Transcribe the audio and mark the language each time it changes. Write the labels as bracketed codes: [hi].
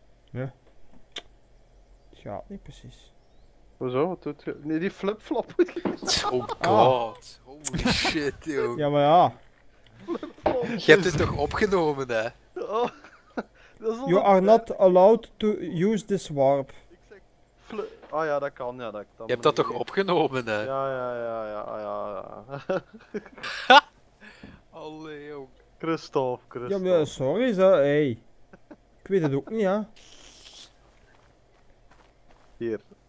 [nl] Ja. Het gaat niet precies. Hoezo? Wat doet je? Nee, die flip-flop moet je... Oh god. Ah. [en] Holy shit, [nl] joh. Ja, maar ja. Je hebt dit toch opgenomen, hè? Oh. Dat is [en] you are not allowed to use this warp. [nl] Ik zeg flip... Ah ja, dat kan. Ja, dat kan. Je hebt dat toch opgenomen, hè? Ja. Allee, joh. Christophe. Ja, maar sorry, zo. Hey. Ik weet het ook niet, hè. Hier.